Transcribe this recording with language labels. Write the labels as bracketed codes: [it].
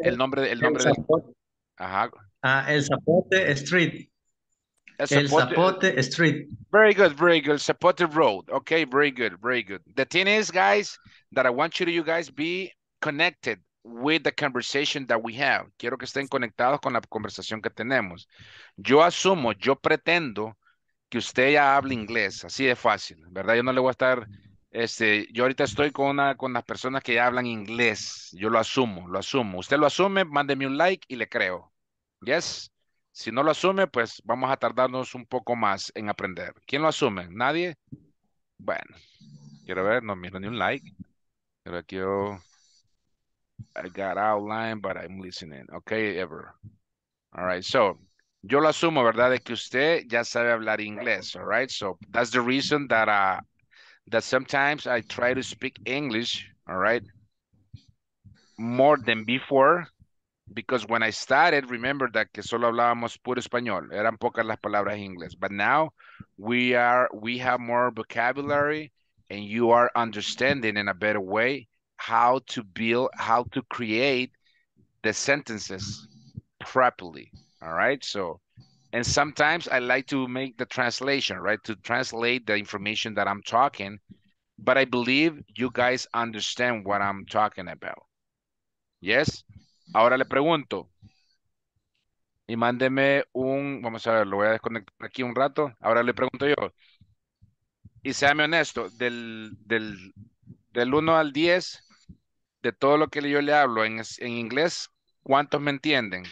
[es] El Zapote. Ajá. El Zapote Street. El Zapote Street. [en] Very good, very good. Zapote Road. Okay, very good, very good. The thing is, guys, that I want you guys be connected with the conversation that we have. [es] Quiero que estén conectados con la conversación que tenemos. Yo pretendo que usted ya hable inglés, así de fácil, ¿verdad? Yo no le voy a estar, yo ahorita estoy con las personas que ya hablan inglés. Yo lo asumo. Usted lo asume, mándeme un like y le creo. Yes? Si no lo asume, pues vamos a tardarnos un poco más en aprender. ¿Quién lo asume? ¿Nadie? Bueno, quiero ver, no miro ni un like. Pero aquí yo... [en] I got outline, but I'm listening. Okay, Ever. [es] All right, so, yo lo asumo, ¿verdad? De que usted ya sabe hablar inglés, [en] all right? So, that's the reason that that sometimes I try to speak English, all right? More than before, because when I started, remember that [es] que solo hablábamos puro español. Eran pocas las palabras en inglés. [en] But now, we have more vocabulary, and you are understanding in a better way how to build, how to create the sentences properly, all right? So, and sometimes I like to make the translation, right? To translate the information that I'm talking, but I believe you guys understand what I'm talking about. [es] Yes? Ahora le pregunto. Y mándeme un, vamos a ver, lo voy a desconectar aquí un rato. Ahora le pregunto yo. Y séame honesto, del 1 al 10, de todo lo que yo le hablo en inglés, ¿cuántos me entienden?